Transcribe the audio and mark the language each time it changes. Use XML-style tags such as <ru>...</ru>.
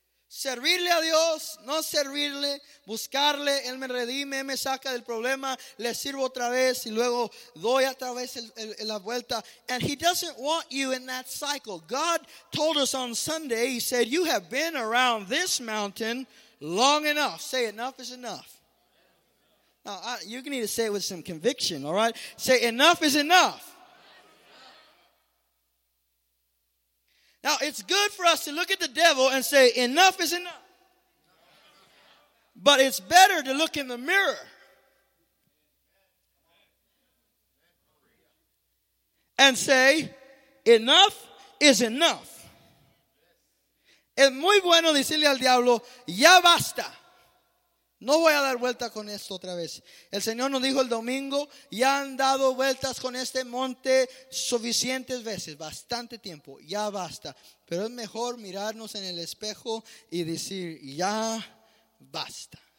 <es>Servirle a Dios, no servirle, buscarle, Él me redime, me saca del problema, le sirvo otra vez y luego doy otra vez la vuelta.</es> <en>And he doesn't want you in that cycle. God told us on Sunday, he said, you have been around this mountain long enough. Say enough is enough. Now, you need to say it with some conviction, all right? Say enough is enough. Now, it's good for us to look at the devil and say, enough is enough. But it's better to look in the mirror and say, enough is enough.</en> <es>Es muy bueno decirle al diablo, ya basta. No voy a dar vuelta con esto otra vez. El Señor nos dijo el domingo, ya han dado vueltas con este monte suficientes veces, bastante tiempo, ya basta. Pero es mejor mirarnos en el espejo y decir, ya basta.</es>